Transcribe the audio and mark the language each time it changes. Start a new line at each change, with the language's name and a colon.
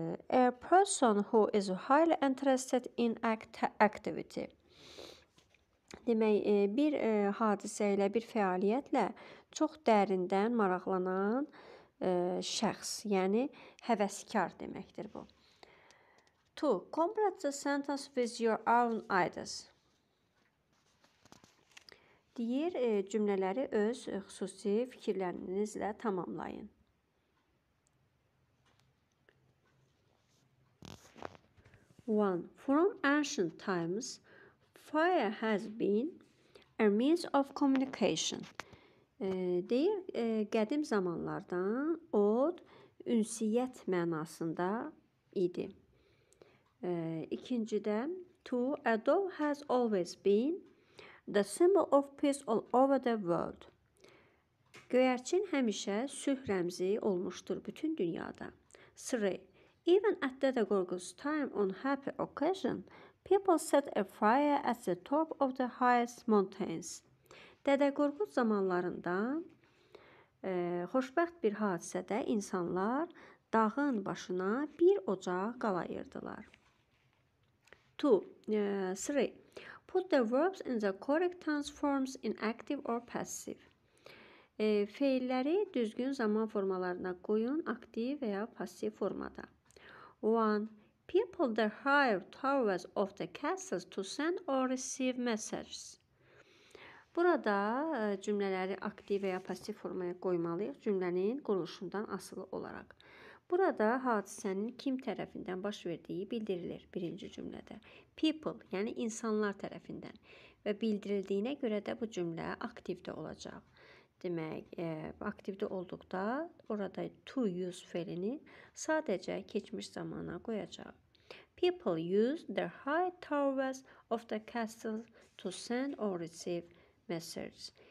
English: A person who is highly interested in activity.
Azerbaijani: Demək, bir hadisə ilə, bir fəaliyyətlə çox dərindən maraqlanan şəxs, yəni həvəskar deməkdir bu. 2.
English: Complete the sentence with your own ideas.
Azerbaijani: Deyir, cümlələri öz xüsusi fikirlərinizlə tamamlayın. 1.
English: From ancient times, fire has been a means of communication.
Azerbaijani: Deyir, qədim zamanlardan od ünsiyyət mənasında idi. İkincidə,
English: to a dove has always been the symbol of peace all over the world.
Azerbaijani: Göyərçin həmişə sülh rəmzi olmuşdur bütün dünyada. 3.
English: Even at Dede Gorgul's time on happy occasion, people set a fire at the top of the highest mountains.
Azerbaijani: Dede Gorgul zamanlarında xoşbəxt bir hadisədə insanlar dağın başına bir ocaq qalayırdılar. 2. 3.
English: Put the verbs in the correct tense forms in active or passive.
Azerbaijani: Feilləri düzgün zaman formalarına qoyun, aktiv və ya passiv formada. 1.
English: People the higher towers of the castles to send or receive messages.
Azerbaijani: Burada cümlələri aktiv və ya passiv formaya qoymalıyıq cümlənin quruluşundan asılı olaraq. Burada hadisənin kim tərəfindən baş verdiyi bildirilir birinci cümlədə. People, yəni insanlar tərəfindən və bildirildiyinə görə də bu cümlə aktivdə olacaq. Demək, aktivdə olduqda orada to use fəlini sadəcə keçmiş zamana qoyacaq.
English: People use their high towers of the castle to send or receive messages.